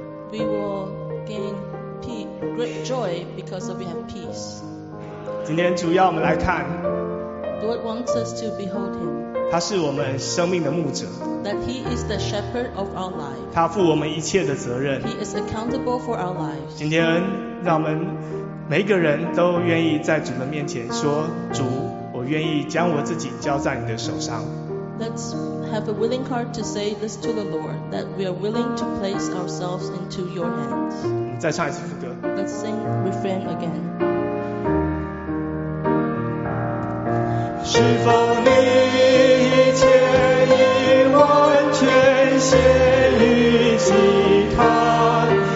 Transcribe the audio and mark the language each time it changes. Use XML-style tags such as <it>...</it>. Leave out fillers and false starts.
<en>We will gain great joy because we have peace.</en> <zh>今天主要我们来看。</zh> <en>Lord wants us to behold him.</en> <zh>他是我们生命的牧者。</zh> <en>That he is the shepherd of our lives.</en> <zh>他负我们一切的责任。</zh> <en>He is accountable for our lives.</en> <zh>今天让我们每个人都愿意在主的面前说，主，我愿意将我自己交在你的手上。</zh> <en>Let's have a willing heart to say this to the Lord, that we are willing to place ourselves into your hands.</en> <zh>我们再唱一次副歌。</zh> <en>Let's sing refrain again.</en> <zh>是否你一切已完全献于祭坛？</zh>